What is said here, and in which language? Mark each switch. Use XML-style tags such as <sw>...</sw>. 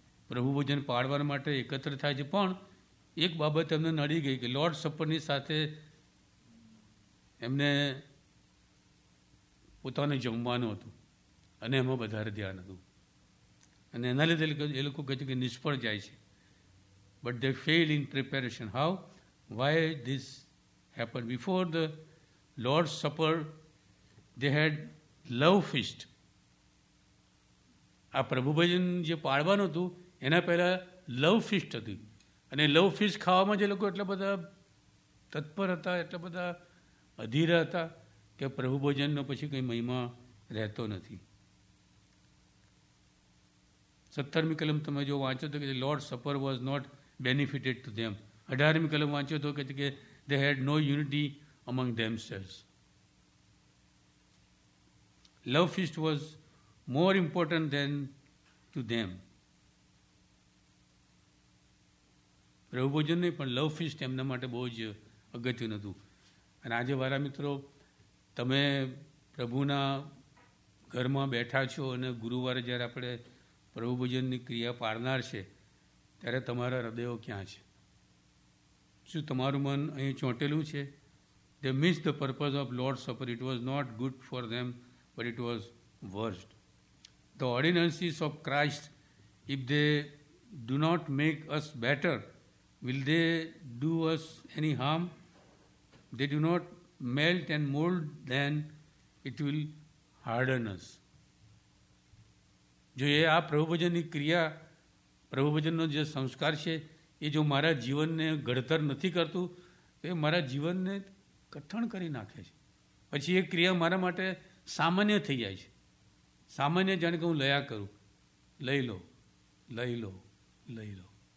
<gu>પ્રભુ ભોજન પાડવા માટે એકત્ર થાય છે, પણ એક બાબત એમને નડી ગઈ કે લોર્ડ સપરની સાથે એમને પોતાને જમવાનું હતું અને એમાં વધારે ધ્યાન હતું, અને એના લીધે એ લોકો કહે છે કે નિષ્ફળ જાય છે.</gu> <en>but they failed in preparation. How? Why this happened? Before the Lord's Supper, they had love feast.</en> <gu>આ પ્રભુ ભજન જે પાળવાનું હતું એના પહેલાં લવ ફિસ્ટ હતી, અને લવ ફિસ્ટ ખાવામાં જે લોકો એટલા બધા તત્પર હતા, એટલા બધા અધીર હતા કે પ્રભુ ભજનનો પછી કંઈ મહિમા રહેતો નથી. 17મી કલમ તમે જો વાંચો તો કે</gu> <en>Lord supper was not benefited to them.</en> <gu>18મી કલમ વાંચો તો કે</gu> <en>They had no unity among themselves. Love feast was more important than to them.</en> <gu>પ્રભુ ભોજન નહીં પણ લવ ફિસ્ટ એમના માટે બહુ જ અગત્યનું હતું. અને આજે મારા મિત્રો, તમે પ્રભુના ઘરમાં બેઠા છો અને ગુરુવારે જ્યારે આપણે પ્રભુ ભોજનની ક્રિયા પાડનાર છે ત્યારે તમારા હૃદયો ક્યાં છે? શું તમારું મન અહીં ચોંટેલું છે?</gu> <en>They miss the purpose of Lord Supper. It was not good for them but it was worst. The ordinances of Christ, if they do not make us better, will they do us any harm? They do not melt and mold, then it will harden us.</en> <gu>જો એ આ પ્રભુ ભજનની ક્રિયા, પ્રભુ ભજનનો જે સંસ્કાર છે એ જો મારા જીવનને ઘડતર નથી કરતું તો એ મારા જીવનને કઠણ કરી નાખે છે. પછી એ ક્રિયા મારા માટે સામાન્ય થઈ જાય છે. સામાન્ય જાણે કે હું લયા કરું, લઈ લો, લઈ લો, લઈ લો.</gu>